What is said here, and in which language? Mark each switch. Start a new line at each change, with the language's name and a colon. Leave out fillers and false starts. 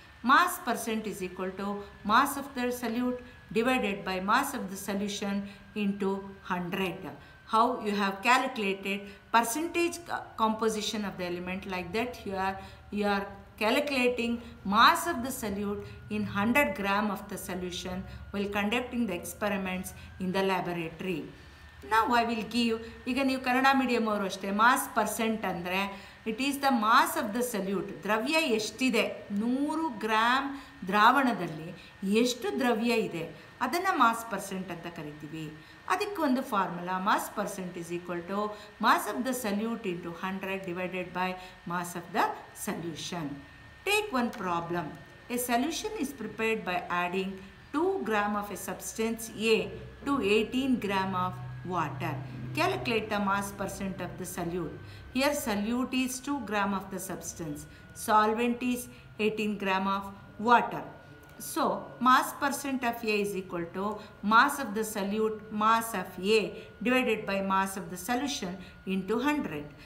English: Mass percent is equal to mass of the solute divided by mass of the solution into 100. How you have calculated percentage composition of the element like that, here you are calculating mass of the solute in 100 gram of the solution while conducting the experiments in the laboratory. Now I will give,
Kannada: ಈಗ ನೀವು Kannada medium ಅವರು ಅಷ್ಟೇ, mass percent ಅಂದರೆ
English: it is the mass of the solute,
Kannada: ದ್ರವ್ಯ ಎಷ್ಟಿದೆ, 100 gram ದ್ರಾವಣದಲ್ಲಿ ಎಷ್ಟು ದ್ರವ್ಯ ಇದೆ ಅದನ್ನು ಮಾಸ್ ಪರ್ಸೆಂಟ್ ಅಂತ ಕರಿತೀವಿ. ಅದಕ್ಕೆ ಒಂದು formula,
English: Mass percent is equal to mass of the solute into 100 divided by mass of the solution. Take one problem. A solution is prepared by adding 2 gram of a substance A to 18 gram of water. Calculate the mass percent of the solute. Here solute is 2 gram of the substance, solvent is 18 gram of water. So mass percent of A is equal to mass of the solute, mass of A divided by mass of the solution into 100.